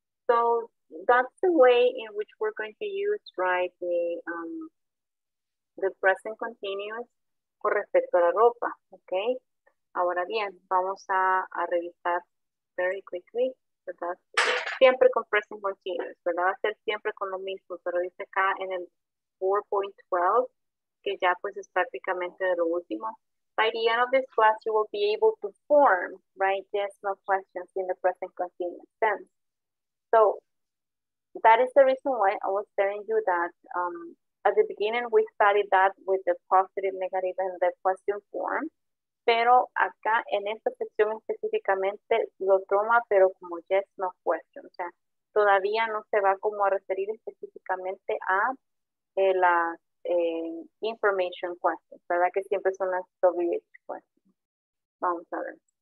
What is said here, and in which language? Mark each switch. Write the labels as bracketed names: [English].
[English] So that's the way in which we're going to use, right, the present continuous [Spanish] con respecto a la ropa, [English] okay? [Spanish] Ahora bien, vamos a revisar [English] very quickly, [Spanish] ¿verdad? Siempre con present continuous, ¿verdad? Va a ser siempre con lo mismo, pero dice acá en el 4.12, que ya pues es prácticamente de lo último. [English] By the end of this class, you will be able to form, right, yes, no questions in the present continuous tense. So, that is the reason why I was telling you that at the beginning, we studied that with the positive, negative, and the question form. [Spanish] Pero acá, en esta sección específicamente, lo toma, pero como yes, no question. O sea, todavía no se va como a referir específicamente a las information questions, ¿verdad? Que siempre son las WH questions. Vamos a ver.